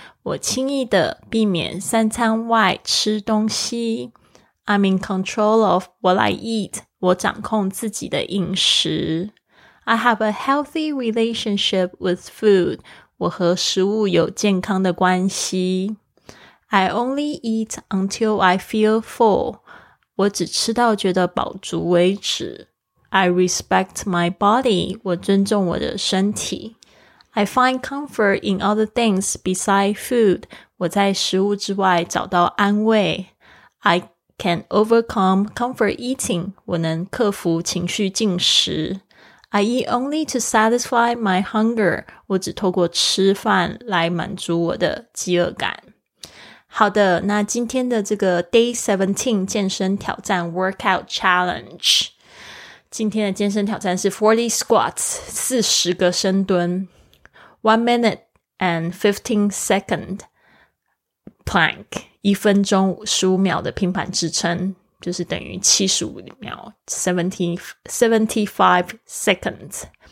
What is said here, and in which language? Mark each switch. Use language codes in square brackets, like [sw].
[zh] 我轻易地避免三餐外吃东西。 [en] I'm in control of what I eat. [zh] 我掌控自己的饮食。 [en] I have a healthy relationship with food. [zh] 我和食物有健康的关系。 [en] I only eat until I feel full. [zh] 我只吃到觉得饱足为止。 [en] I respect my body. [zh] 我尊重我的身体。 [en] I find comfort in other things beside food. [zh] 我在食物之外找到安慰。 [en] I can overcome comfort eating. [zh] 我能克服情绪进食。 [en] I eat only to satisfy my hunger. [zh] 我只透过吃饭来满足我的饥饿感。好的，那今天的这个 Day 17健身挑战 [en] Workout Challenge， [zh] 今天的健身挑战是 [en] 40 squats， [zh] 40个深蹲， [en] 1 minute and 15 second plank， [zh] 1分钟15秒的平板支撑，就是等于75秒 [en] 75 seconds.